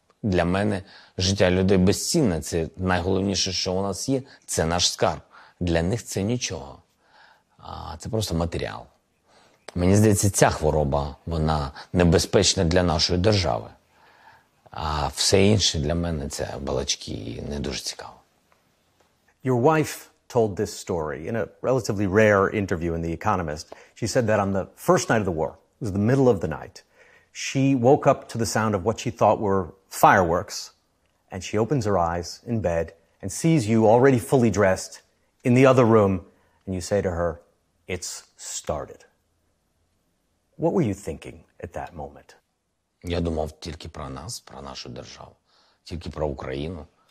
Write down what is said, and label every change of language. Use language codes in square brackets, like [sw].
[uk] Для мене життя людей безцінне. Це найголовніше, що у нас є. Це наш скарб. Для них це нічого. Це просто матеріал. Мені здається, ця хвороба, вона небезпечна для нашої держави. А все інше для мене це балачки і не дуже цікаво. [en] Your wife told this story in a relatively rare interview in The Economist. She said that on the first night of the war, it was the middle of the night, she woke up to the sound of what she thought were fireworks, and she opens her eyes in bed and sees you already fully dressed in the other room, and you say to her, "It's started." What were you thinking at that moment? [uk] Я думав тільки про нас, про нашу державу, тільки про Україну.